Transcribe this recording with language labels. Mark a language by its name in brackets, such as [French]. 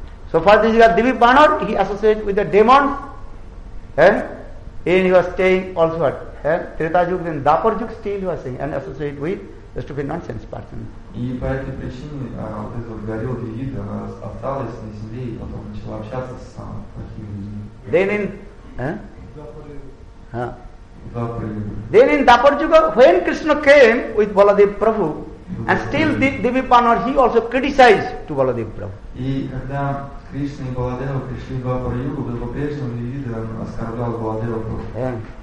[English] So for this, Divi Banar, he associated with the demon. And he was staying also at Treta Yuga and Dapar Yuga still he was staying and associated with the stupid nonsense person. [Russian] И по этой причине вот эта вот горилла Дивид, она осталась на земле и потом начала общаться с самыми плохими людьми. [English] Then in... Dapar-yuga. Then in Dapar-yuga, when Krishna came with Baladev Prabhu, and still Divi Panar, he also criticized to Baladev Prabhu. [Russian] И когда Кришна и Баладева пришли в Dapar-yuga, то по-прежнему Дивид, он оскорблял Баладева Прабху.